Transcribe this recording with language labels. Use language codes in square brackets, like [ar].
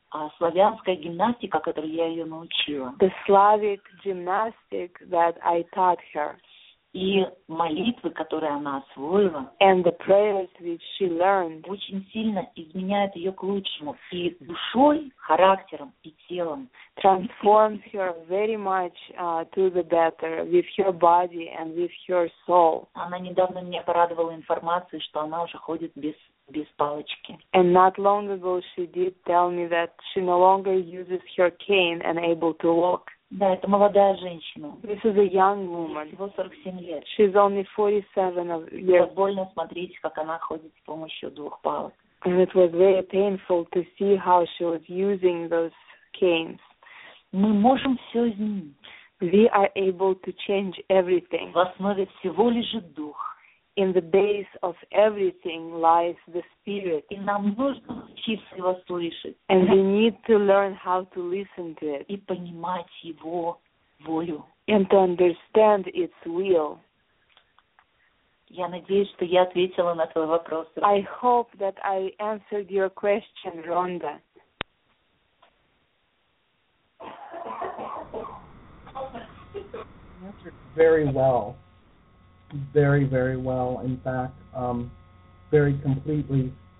[ru] А славянская гимнастика, которую я ее научила. [en] The Slavic gymnastic that I taught her. [ru] И молитвы, которые она освоила. [en] And the prayers which she learned. [ru] Очень сильно изменяют ее к лучшему. И душой, характером и телом. [en] Transforms her very much to the better with her body and with her soul. [ru] Она недавно меня порадовала информацией, что она уже ходит без палочки. [en] And not long ago she did tell me that she no longer uses her cane and able to walk. [ru] Да, это молодая женщина. [en] This is a young woman. [ru] Ей всего 47 лет. [en] She's only 47 years. [ru] Было больно смотреть, как она ходит с помощью двух палок. [en] And it was very painful to see how she was using those canes. [ru] Мы можем все изменить. [en] We are able to change everything. [ru] В основе всего лежит дух. [en] In the base of everything lies the spirit. [ru] И нам нужно учиться его слышать. [en] And we need to learn how to listen to it. [ru] И понимать его волю. [en] And to understand its will. [ru] Я надеюсь, что я ответила на твой вопрос. [en] I hope that I answered your question, Rhonda. Very well. Very, very well, in fact, very completely.